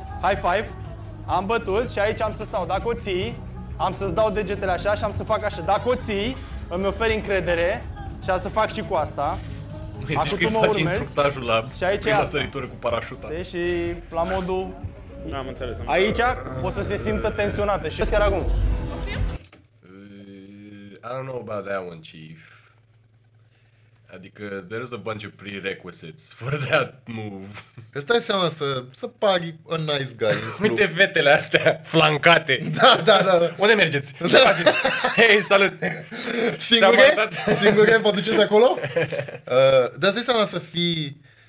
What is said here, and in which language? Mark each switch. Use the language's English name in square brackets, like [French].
[Romanian] High five, am bătut și aici am să stau. Dacă o ții, am să-ți dau degetele așa și am să fac așa. Dacă o ții, îmi oferi încredere și am să fac și cu asta. Mai zici că îi faci instructajul la și aici prima săritură cu parașuta. Și la modul... N-am înțeles. Aici o să se simtă tensionată și... Chiar acum. [English] I don't know about that one, chief. Adică, there is a bunch of prerequisites for that move. [Romanian] Îți dai seama să pari [English] a nice guy. [Romanian] Uite vetele astea flancate. Da. Unde mergeți? Da. Ce faceți? Hei, salut! Singure? Singure vă duceți acolo? Dar îți dai seama să fii...